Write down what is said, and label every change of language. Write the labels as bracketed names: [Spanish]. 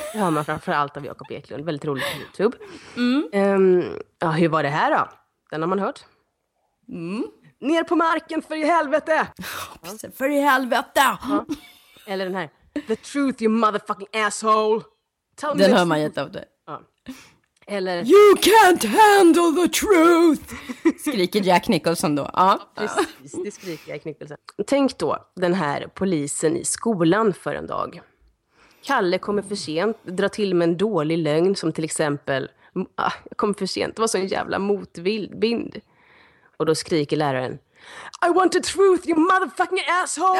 [Swedish] Det hör man framförallt av Jakob Eklund. Väldigt roligt på YouTube. Mm. Ja, hur var det här då? Den har man hört. Mm. Ner på marken, för i helvete! Ja. För i helvete! Ja. Eller den här: [English] the truth, you motherfucking asshole! Tell me. [Swedish] Den hör man jätte av det. Ja. Eller: [English] you can't handle the truth! [Swedish] Skriker Jack Nicholson då. Ja. Ja, precis, det skriker Jack Nicholson. Tänk då den här polisen i skolan för en dag. Kalle kommer för sent, drar till med en dålig lögn, som till exempel: jag kommer för sent, det var så en jävla motvind. [English] Och då skriker läraren: I want the truth, you motherfucking asshole!